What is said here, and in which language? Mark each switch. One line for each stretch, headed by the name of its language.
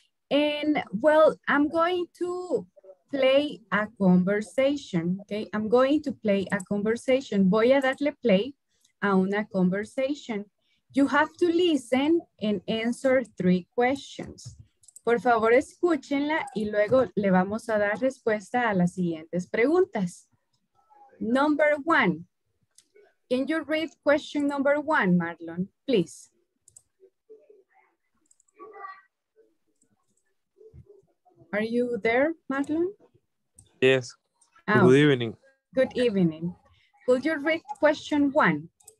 English: And well, I'm going to play a conversation, okay? I'm going to play a conversation.
Spanish: Voy a darle play a una conversation.
English: You have to listen and answer three questions.
Spanish: Por favor, escúchenla y luego le vamos a dar respuesta a las siguientes preguntas.
English: Number one. Can you read question number one, Marlon, please? Are you there, Marlon? Yes. Oh. Good evening. Good evening. Could you read question one?